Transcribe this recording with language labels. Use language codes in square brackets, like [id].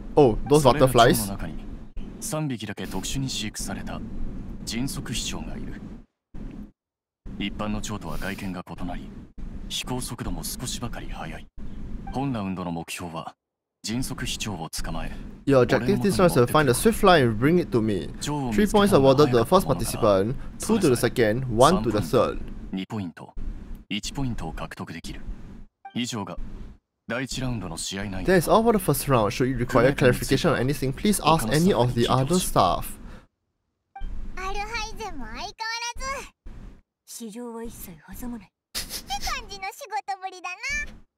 [ja] おう、どうぞ、バッタフライス。その中に3匹だけ特殊に飼育された迅速飛翔がいる。一般の蝶とは外見が異なり、飛行速度も少しばかり速い。本ラウンドの目標は迅速飛鳥を捕まえ。 [en] Your objective this round is to find a swift fly and bring it to me. 3 points awarded to the first participant, 2 to the second, 1 to the third. [ja] 2ポイント、1ポイントを獲得できる。以上が第1ラウンドの試合内容。 [en] That is all for the first round. Should you require clarification on anything, please ask any of the other staff. [ja] アルハイゼンも相変わらず。市場は一切挟まない。って感じの仕事ぶりだな。